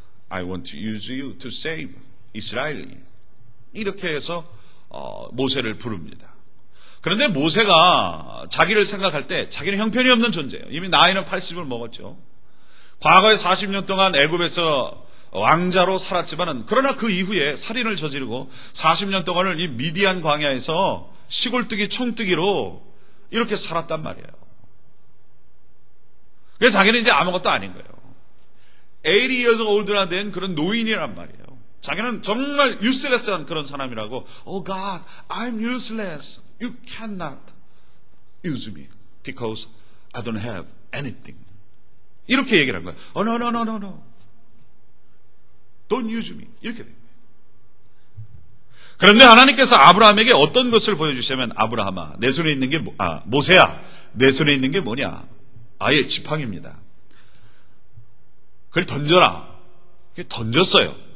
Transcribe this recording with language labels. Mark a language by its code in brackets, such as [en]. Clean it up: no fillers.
[en] I want to use you to save Israel. [ko] 이렇게 해서 모세를 부릅니다. 그런데 모세가 자기를 생각할 때 자기는 형편이 없는 존재예요. 이미 나이는 80을 먹었죠. 과거에 40년 동안 애굽에서 왕자로 살았지만은 그러나 그 이후에 살인을 저지르고 40년 동안을 이 미디안 광야에서 시골뜨기 총뜨기로 이렇게 살았단 말이에요. 그래서 자기는 이제 아무것도 아닌 거예요. [en] 80 years old [ko] 나 된 그런 노인이란 말이에요. 자기는 정말 useless한 그런 사람이라고. [en] Oh God, I'm useless. You cannot use me because I don't have anything. [ko] 이렇게 얘기를 한 거예요. [en] Oh no, no, no, no, no. Don't use me. [ko] 이렇게 됩니다. 그런데 하나님께서 아브라함에게 어떤 것을 보여주시냐면 아브라함아, 내 손에 있는 게 모세야, 내 손에 있는 게 뭐냐? 아예 지팡이입니다. 그걸 던져라. 던졌어요.